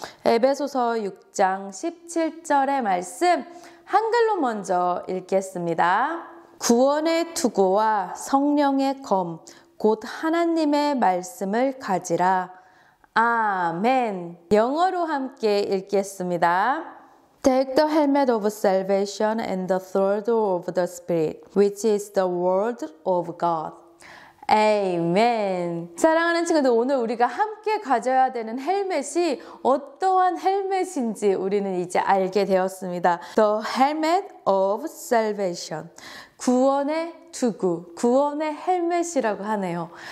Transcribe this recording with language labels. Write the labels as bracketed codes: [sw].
[ko] 에베소서 6장 17절의 말씀 한글로 먼저 읽겠습니다. 구원의 투구와 성령의 검, 곧 하나님의 말씀을 가지라. 아멘. 영어로 함께 읽겠습니다. [en] Take the helmet of salvation and the sword of the spirit, which is the word of God. Amen. [ko] 사랑하는 친구들, 오늘 우리가 함께 가져야 되는 헬멧이 어떠한 헬멧인지 우리는 이제 알게 되었습니다. [en] The helmet of salvation. [ko] 구원의 투구, 구원의 헬멧이라고 하네요.